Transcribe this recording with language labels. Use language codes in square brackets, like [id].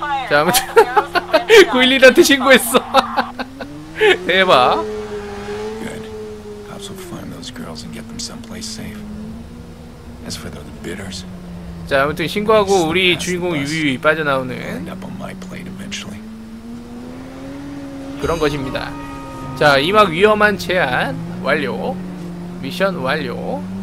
[ko] 자, 아무튼 911한테 신고했어. 대박. [en] Good. Cops will find those girls and get them someplace safe. As for the bidders. [ko] 자, 아무튼 신고하고 우리 주인공 유비 빠져나오는. [en] End up on my plate eventually. [ko] 그런 것입니다. 자, 이막 위험한 제안 완료. 미션 완료.